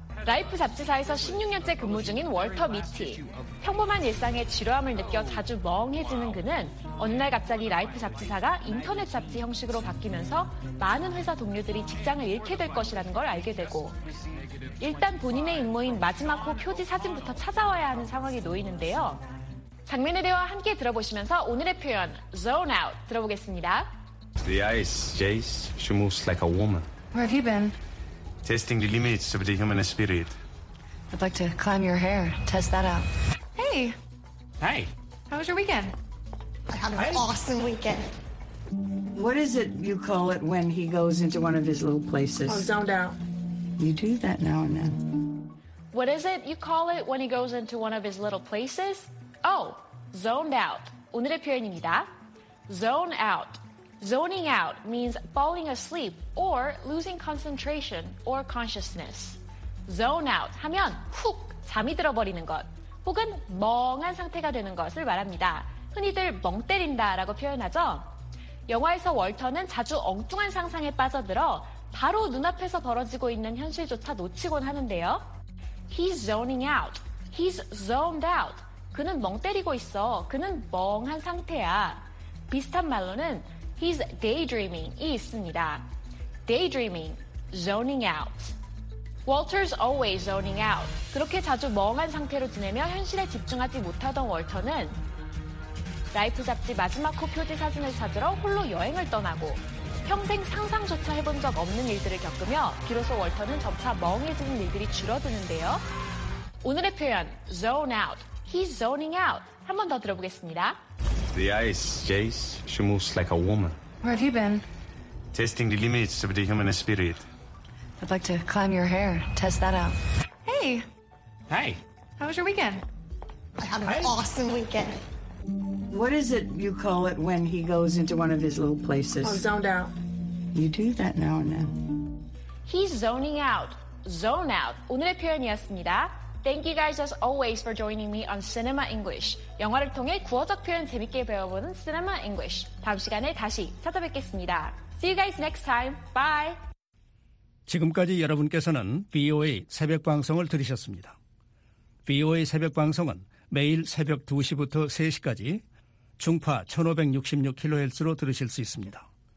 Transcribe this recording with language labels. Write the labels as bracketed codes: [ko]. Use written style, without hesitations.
[ko] 라이프 잡지사에서 16년째 근무 중인 월터 미티. 평범한 일상에 지루함을 느껴 자주 멍해지는 그는 어느 날 갑자기 라이프 잡지사가 인터넷 잡지 형식으로 바뀌면서 많은 회사 동료들이 직장을 잃게 될 것이라는 걸 알게 되고 일단 본인의 임무인 마지막 호 표지 사진부터 찾아와야 하는 상황이 놓이는데요. 장면의 대화 함께 들어보시면서 오늘의 표현 Zone Out 들어보겠습니다. [en] The ice, Jace, she moves like a woman. Where have you been? Testing the limits of the human spirit. I'd like to climb your hair, test that out. Hey. Hey. How was your weekend? I had an awesome weekend. What is it you call it when he goes into one of his little places? Oh, zoned out. You do that now and then. What is it you call it when he goes into one of his little places? Oh, zoned out. [ko] 오늘의 표현입니다. [en] Zone out. Zoning out means falling asleep or losing concentration or consciousness. [ko] Zone out 하면 훅 잠이 들어버리는 것 혹은 멍한 상태가 되는 것을 말합니다. 흔히들 멍 때린다라고 표현하죠. 영화에서 월터는 자주 엉뚱한 상상에 빠져들어 바로 눈앞에서 벌어지고 있는 현실조차 놓치곤 하는데요. [en] He's zoning out. He's zoned out. [ko] 그는 멍 때리고 있어. 그는 멍한 상태야. 비슷한 말로는 [en] He's daydreaming [ko] 이 있습니다. [en] Daydreaming, zoning out. Walter's always zoning out. [ko] 그렇게 자주 멍한 상태로 지내며 현실에 집중하지 못하던 월터는 라이프 잡지 마지막 호 표지 사진을 찾으러 홀로 여행을 떠나고 평생 상상조차 해본 적 없는 일들을 겪으며 비로소 월터는 점차 멍해지는 일들이 줄어드는데요. 오늘의 표현, zone out. [en] He's zoning out. [ko] 한 번 더 들어보겠습니다. [en] The ice, Jace, she moves like a woman. Where have you been? Testing the limits of the human spirit. I'd like to climb your hair, test that out. Hey. Hey. How was your weekend? I had an awesome weekend. What is it you call it when he goes into one of his little places? Oh, zoned out. You do that now and then. He's zoning out. Zone out. [ko] 오늘의 표현이었습니다. [en] Thank you guys as always for joining me on Cinema English. [ko] 영화를 통해 구어적 표현 재밌게 배워보는 Cinema English. 다음 시간에 다시 찾아뵙겠습니다. [en] See you guys next time. Bye. [ko] 지금까지 여러분께서는 VOA 새벽 방송을 들으셨습니다. VOA 새벽 방송은 매일 새벽 2시부터 3시까지 중파 1566kHz로 들으실 수 있습니다.